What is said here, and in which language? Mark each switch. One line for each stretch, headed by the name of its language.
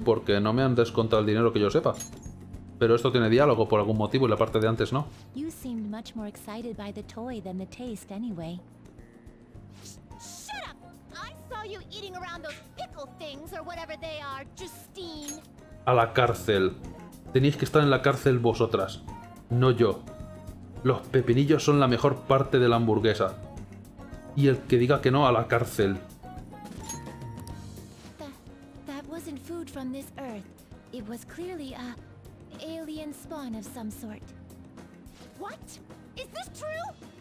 Spanish: Porque no me han descontado el dinero que yo sepa. Pero esto tiene diálogo por algún motivo y la parte de antes no.
English: You seemed much more excited by the toy than the taste anyway. Shut up! I saw you eating around those pickle things or whatever they are, Justine.
Spanish: A la cárcel. Tenéis que estar en la cárcel vosotras, no yo. Los pepinillos son la mejor parte de la hamburguesa. Y el que diga que no, a la cárcel.
English: That wasn't food from this earth. It was clearly a alien spawn of some sort. What? Is this true?